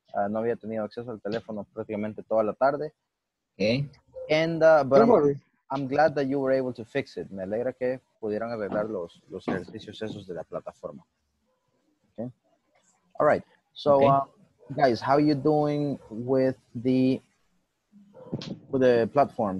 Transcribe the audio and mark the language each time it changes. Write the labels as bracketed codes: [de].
[es] No había tenido acceso al teléfono prácticamente toda la tarde. [en] Okay. And, but I'm glad that you were able to fix it. [es] Me alegra que pudieran arreglar los ejercicios esos de la plataforma. [en] Okay. All right. So, okay. Guys, how are you doing with the platform?